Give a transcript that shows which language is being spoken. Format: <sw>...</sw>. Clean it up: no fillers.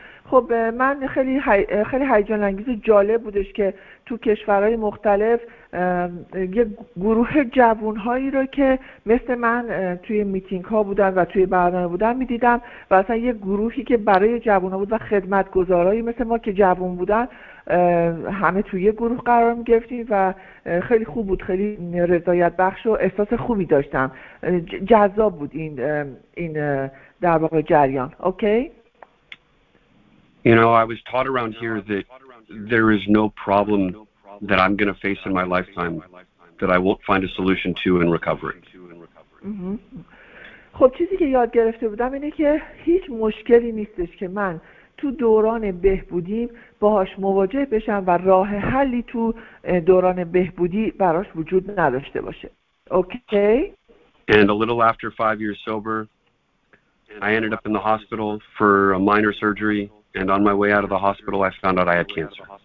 <fa>خب من خیلی هیجان انگیز و جالب بودش که تو کشورهای مختلف یه گروه جوانهایی رو که مثل من توی میتینگ ها بودن و توی برنامه بودن میدیدم و اصلا یه گروهی که برای جوانها بود و خدمتگزارهایی مثل ما که جوان بودن همه توی یه گروه قرار میگرفتیم و خیلی خوب بود، خیلی رضایت بخش و احساس خوبی داشتم، جذاب بود این در واقع جریان.</fa> <en>Okay? You know, I was taught around here that there is no problem that I'm going to face in my lifetime that I won't find a solution to in recovery.</en> <fa>خب چیزی که یاد گرفته بودم اینه که هیچ مشکلی نیستش که من تو دوران بهبودی باهاش مواجه بشم و راه حلی تو دوران بهبودی براش وجود نداشته باشه.</fa> <en>Okay? And a little after 5 years sober, I ended up in the hospital for a minor surgery. And on my way out of the hospital, I found out I had cancer.</en>